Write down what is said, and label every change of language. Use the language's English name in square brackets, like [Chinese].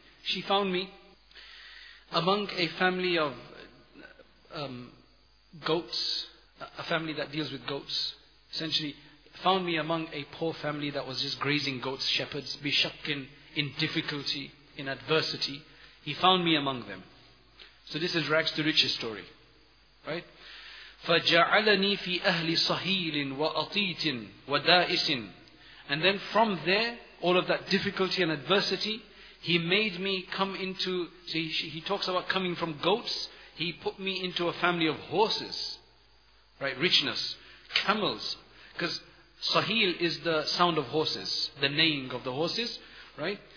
[English] She found me among a family of goats, a family that deals with goats. Essentially, found me among a poor family that was just grazing goats, shepherds, بِشَقٍ, in difficulty, in adversity. He found me among them. So this is rags to riches story. Right? [Arabic] فَجَعَلَنِي فِي أَهْلِ صَهِيلٍ وَأَطِيتٍ وَدَائِسٍ. [English] And then from there, all of that difficulty and adversity. He made me come into, he talks about coming from goats. He put me into a family of horses, right? Richness, camels, because Sahil is the sound of horses, the neighing of the horses, right?